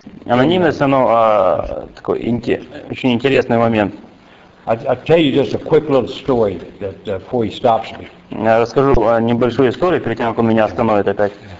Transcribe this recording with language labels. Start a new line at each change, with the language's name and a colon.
Russian: Анонимность, оно такой очень интересный момент.
English: I'll tell you just a quick little story that before he stops me.
Russian: Я расскажу небольшую историю перед тем, как он меня остановит опять.